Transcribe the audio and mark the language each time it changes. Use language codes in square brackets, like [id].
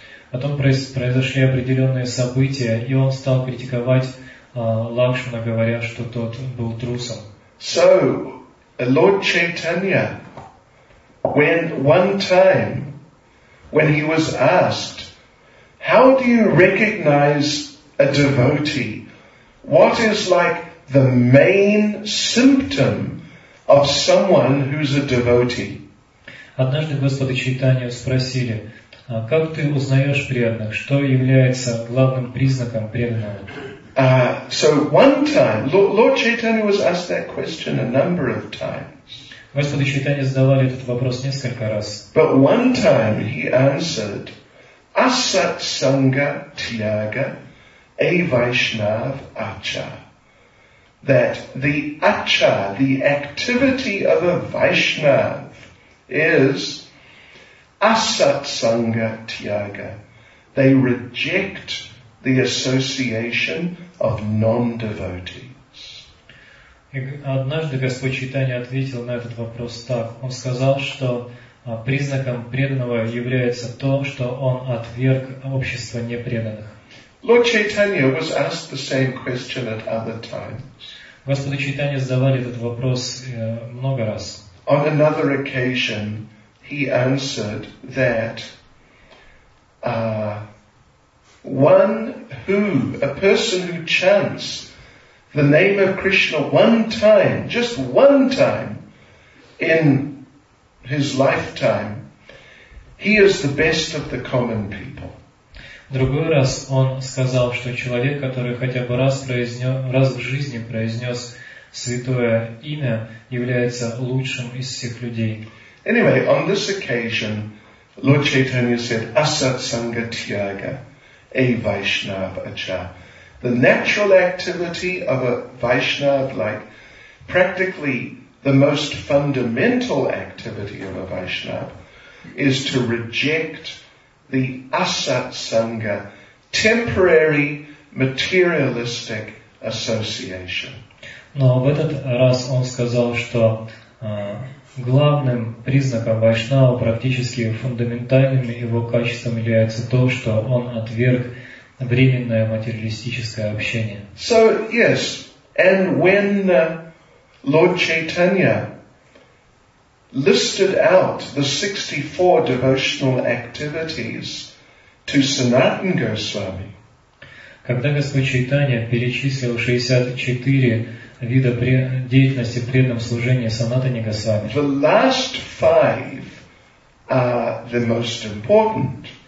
[ru] Потом произошли определенные события, и он стал критиковать Лакшмана, говоря, что тот был трусом. [en] So, Lord Chaitanya, when one time, when he was asked, how do you recognize a devotee? What is like the main symptom of someone who's a devotee? [ru] Однажды Господа Чайтанью спросили, как ты узнаешь преданных? Что является главным признаком преданного? [en] So one time, Lord Chaitanya was asked that question a number of times. [ru] Господа Чайтанья задавали этот вопрос несколько раз. [en] But one time he answered, [bn] Asat Sangha Tyaga Avaishnav Acha. [en] That the acha, the activity of a Vaishnav, is Asat Sangha Tyaga. They reject the association of non-devotees. [ru] Однажды Господь Чайтанья ответил на этот вопрос так. Он сказал, что признаком преданного является то, что он отверг общество непреданных. [en] Lord Chaitanya was asked the same question at other times. [ru] Господа Чайтанья задавали этот вопрос много раз. [en] On another occasion, he answered that one who, a person who chants the name of Krishna one time, just one time, in his lifetime, he is the best of the common people. [ru] Другой раз он сказал, что человек, который хотя бы раз в жизни произнес святое имя, является лучшим из всех людей. [en] Anyway, on this occasion, Lord Chaitanya said, [bn] Asat Sangha Tyaga, a Vaishnav Acha. [en] The natural activity of a Vaishnav, like practically the most fundamental activity of a Vaishnav, is to reject the asat sangha, temporary materialistic association. [ru] Но в этот раз он сказал, что главным признаком вайшнава, практически фундаментальным его качеством, является то, что он отверг временное материалистическое общение. [en] So, yes, and when Lord Chaitanya listed out the 64 devotional activities to Sanatan Goswami. [ru] Когда Господь Чайтанья перечислил 64 вида деятельности в преданном служении Санатане Госвами. [en] The last five are the most important.